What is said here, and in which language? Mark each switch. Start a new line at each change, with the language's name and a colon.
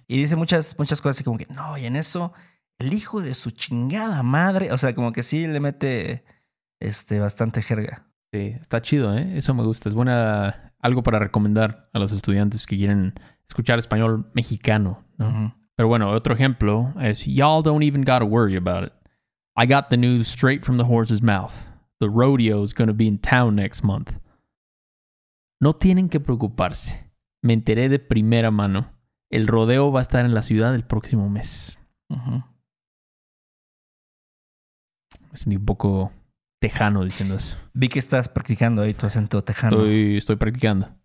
Spanish: Y dice muchas cosas así como que, no, y en eso, el hijo de su chingada madre, o sea, como que sí le mete bastante jerga. Sí, está chido, ¿eh? Eso me gusta. Es buena, algo para recomendar a los estudiantes que quieren escuchar español mexicano, ¿no?
English: Uh-huh.
Spanish: Pero bueno, otro ejemplo es,
English: y'all don't even gotta worry about it. I got the news straight from the horse's mouth. The rodeo is gonna be in town next month.
Spanish: No tienen que preocuparse. Me enteré de primera mano. El rodeo va a estar en la ciudad el próximo mes. Uh-huh. Me sentí un poco tejano diciendo eso. Vi que estás practicando ahí tu acento tejano. Estoy practicando.